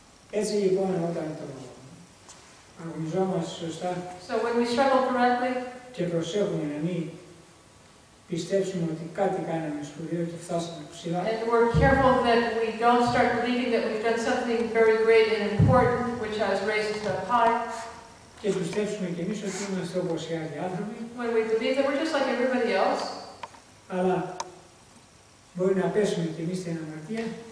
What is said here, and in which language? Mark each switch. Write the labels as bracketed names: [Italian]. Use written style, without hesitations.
[Greek] Έτσι λοιπόν όταν το αγωνιζόμαστε σωστά. [English] So when we struggle correctly. [Greek] Και προσέχουμε να μην πιστέψουμε ότι κάτι κάναμε σπουδαίο και φτάσαμε ψηλά. [English] And we're careful that we don't start believing that we've done something very great and important, which has raised us to a high. [Greek] Και πιστέψουμε και εμείς ότι είμαστε όπως οι άλλοι άνθρωποι. [English] When we believe that we're just like everybody else. [Greek] Αλλά μπορεί να πέσουμε και εμείς στην αμαρτία.